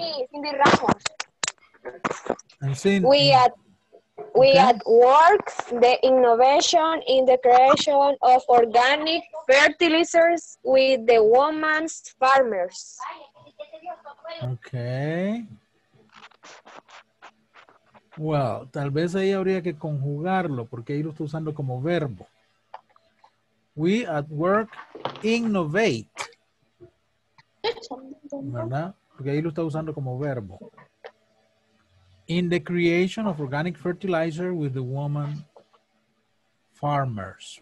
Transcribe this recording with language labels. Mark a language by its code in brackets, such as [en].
[en] Cindy Ramos. We at work the innovation in the creation of organic fertilizers with the women's farmers. Okay. [es] Well, tal vez ahí habría que conjugarlo porque ahí lo estoy usando como verbo. [en] We at work innovate. [es] ¿Verdad? Porque ahí lo está usando como verbo. [en] in the creation of organic fertilizer with the woman farmers.